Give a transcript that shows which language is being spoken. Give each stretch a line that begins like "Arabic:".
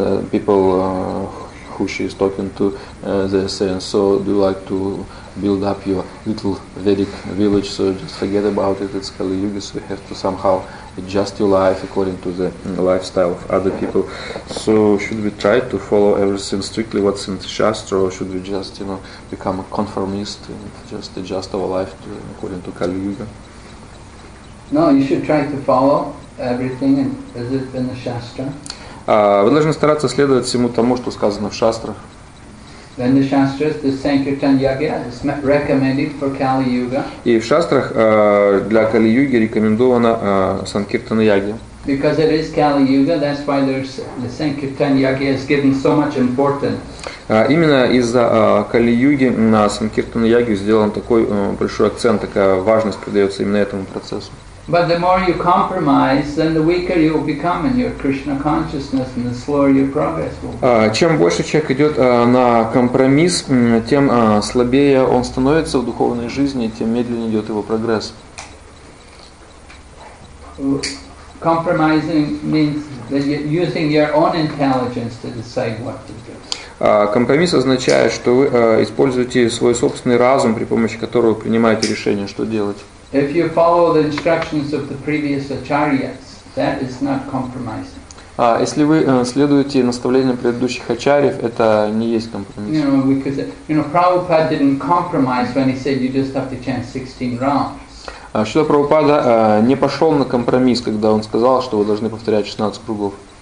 English: People who she is talking to, they are saying, so do you like to build up your little Vedic village, so just forget about it, it's Kali Yuga, so you have to somehow adjust your life according to the lifestyle of other people. So should we try to follow everything strictly what's in the Shastra, or should we just, you know, become a conformist and just adjust our life to, according to Kali Yuga? No, you should try to follow everything as it's in the Shastra.
Russian: Вы должны стараться следовать всему тому, что сказано в Шастрах.
English: Then the Shastras, the Sankirtan Yagya, is recommended for Kali Yuga.
Russian: И в Шастрах для Кали Юги рекомендовано Sankirtan Yagya.
English: Because it is Kali Yuga, that's why there's the Sankirtan Yagya is given so much importance.
Russian: Именно из-за Кали Юги на Sankirtan Yagya сделан такой большой акцент, такая важность придается именно этому процессу.
English: But the more you compromise, then the weaker you will become in your Krishna consciousness, and the slower your progress will be.
Russian: Чем больше человек идет на компромисс, тем слабее он становится в духовной жизни, тем медленнее идет его прогресс.
English: Compromising means that you're using your own intelligence to decide what to do.
Russian: Компромисс означает, что вы используете свой собственный разум, при помощи которого принимаете решение, что делать.
English: If you follow the instructions of the previous acharyas, that is not compromising.
Russian: Если вы следуете наставлениям предыдущих ачарьев, это не есть компромисс.
English: You know, because you know, Prabhupada didn't compromise when he said you just have to chant 16 rounds.
Russian: Шрила Прабхупада не пошел на компромисс, когда он сказал, что вы должны повторять 16 кругов.